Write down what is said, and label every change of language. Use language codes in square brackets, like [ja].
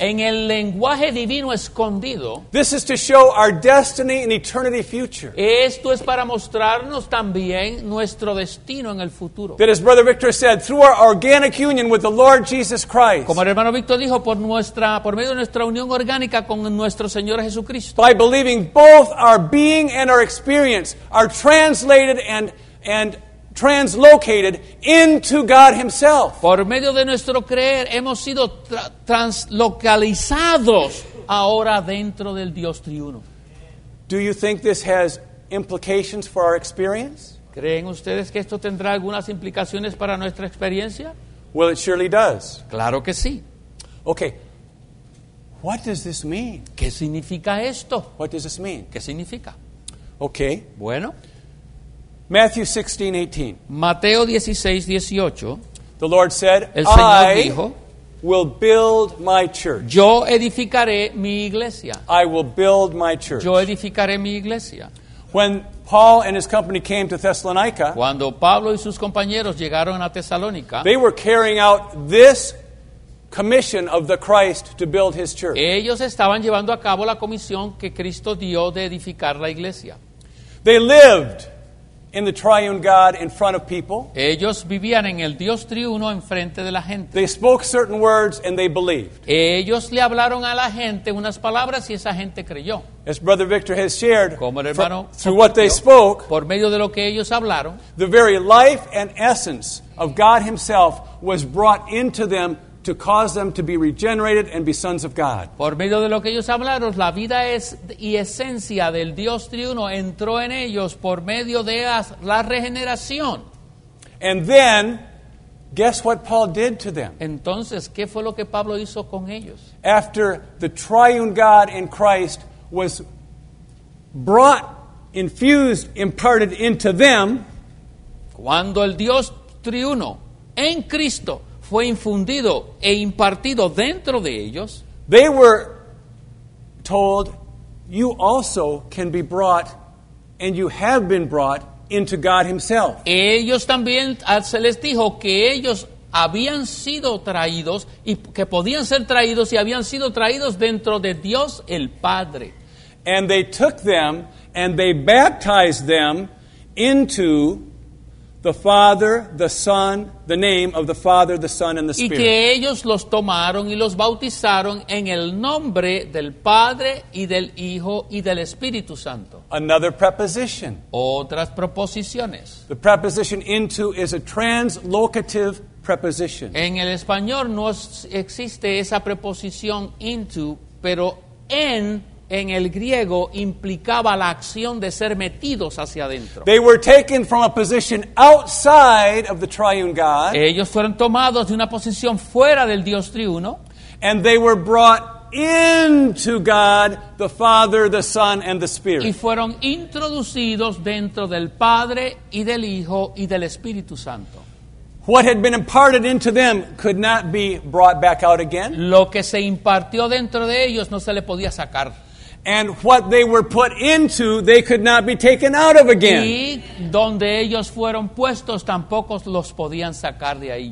[es] En el lenguaje divino escondido. [en] This is to show our destiny and eternity future. [es] Esto es para mostrarnos también nuestro destino en el futuro. [en] That as Brother Victor said, through our organic union with the Lord Jesus Christ. [es] Como el hermano Victor dijo, por medio de nuestra unión orgánica con nuestro Señor Jesucristo. [en] By believing both our being and our experience are translated and translocated into God himself. [es] Por medio de nuestro creer hemos sido translocalizados ahora dentro del Dios triuno. [en] Do you think this has implications for our experience? [es] ¿Creen ustedes que esto tendrá algunas implicaciones para nuestra experiencia? [en] Well, it surely does. [es] Claro que sí. [en] Okay. What does this mean? [es] ¿Qué significa esto? [en] What does this mean? [es] ¿Qué significa? [en] Okay. [es] Bueno, [en] Matthew 16:18. [es] Mateo 16:18. [en] The Lord said, [es] el Señor [en] I [es] dijo, [en] will build my church. [es] Yo edificaré mi iglesia. [en] I will build my church. [es] Yo edificaré mi iglesia. [en] When Paul and his company came to Thessalonica, [es] cuando Pablo y sus compañeros llegaron a Tesalónica, [en] they were carrying out this commission of the Christ to build his church. [es] Ellos estaban llevando a cabo la comisión que Cristo dio de edificar la iglesia. [en] They lived in the triune God in front of people. [es] Ellos vivían en el Dios triuno enfrente de la gente. [en] They spoke certain words and they believed. [es] Ellos le hablaron a la gente unas palabras y esa gente creyó. [en] As Brother Victor has shared, [es] como el hermano [en] through what they spoke, [es] por medio de lo que ellos hablaron, [en] the very life and essence of God himself was brought into them to cause them to be regenerated and be sons of God. [es] Por medio de lo que ellos hablaron, la vida es y esencia del Dios triuno entró en ellos por medio de la regeneración. [en] And then Guess what Paul did to them? [es] Entonces, ¿qué fue lo que Pablo hizo con ellos? [en] After the triune God in Christ was brought, infused, imparted into them, [es] cuando el Dios triuno en Cristo fue infundido e impartido dentro de ellos, [en] they were told, you also can be brought and you have been brought into God himself. [es] Ellos también se les dijo que ellos habían sido traídos y que podían ser traídos y habían sido traídos dentro de Dios el Padre. [en] And they took them and they baptized them into the Father, the Son, the name of the Father, the Son, and the Spirit. [es] Y que ellos los tomaron y los bautizaron en el nombre del Padre y del Hijo y del Espíritu Santo. [en] Another preposition. [es] Otras proposiciones. [en] The preposition into is a translocative preposition. [es] En el español no existe esa preposición into, pero en el griego implicaba la acción de ser metidos hacia adentro. [en] They were taken from a position outside of the triune God. [es] Ellos fueron tomados de una posición fuera del Dios triuno. [en] And they were brought into God, the Father, the Son, and the Spirit. [es] Y fueron introducidos dentro del Padre y del Hijo y del Espíritu Santo. [en] What had been imparted into them could not be brought back out again. [es] Lo que se impartió dentro de ellos no se le podía sacar. [en] And what they were put into, they could not be taken out of again. [es] Y donde ellos fueron puestos, tampoco los podían sacar de ahí.